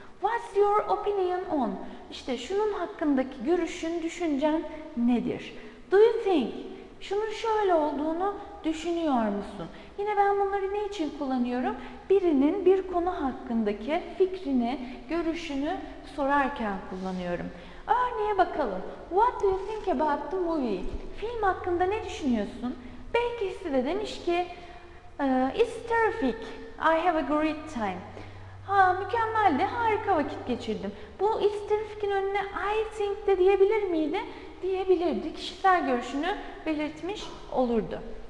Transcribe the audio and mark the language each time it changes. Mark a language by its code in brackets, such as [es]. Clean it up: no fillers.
[en] What's your opinion on? [tr] İşte şunun hakkındaki görüşün, düşüncen nedir? [en] Do you think? [tr] Şunun şöyle olduğunu düşünüyor musun? Yine ben bunları ne için kullanıyorum? Birinin bir konu hakkındaki fikrini, görüşünü sorarken kullanıyorum. Örneğe bakalım. [en] What do you think about the movie? [tr] Film hakkında ne düşünüyorsun? Belki size de demiş ki [en] it's terrific. I have a great time. [tr] Ha, mükemmeldi. Harika vakit geçirdim. Bu it's terrific'in önüne [en] I think [tr] de diyebilir miydi? Diyebilirdi. Kişisel görüşünü belirtmiş olurdu.